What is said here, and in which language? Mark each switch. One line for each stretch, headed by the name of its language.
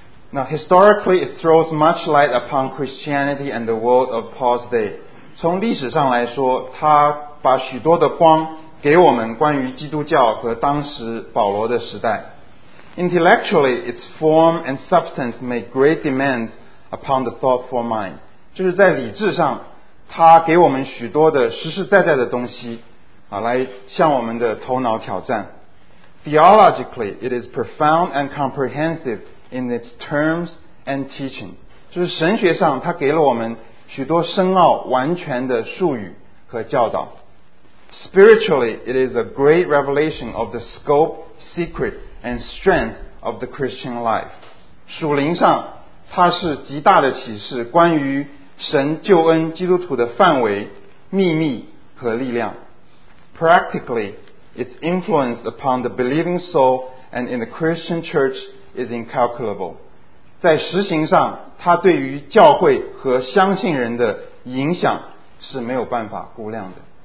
English: Now historically, it throws much light upon Christianity and the world of Paul's day.
Chinese: 从历史上来说，它把许多的光给我们关于基督教和当时保罗的时代。
English: Intellectually, its form and substance make great demands upon the thoughtful mind.
Chinese: 就是在理智上。他给我们许多的实实在在的东西啊，来向我们的头脑挑战。
English: Theologically, it is profound and comprehensive in its terms and teaching.
Chinese: 就是神学上他给了我们许多深奥完全的术语和教导。
English: Spiritually, it is a great revelation of the scope, secret, and strength of the Christian life.
Chinese: 属灵上它是极大的启示，关于神救恩基督徒的范围、秘密和力量。
English: Practically, its influence upon the believing soul and in the Christian church is incalculable.
Chinese: 在实行上，它对于教会和相信人的影响是没有办法估量的。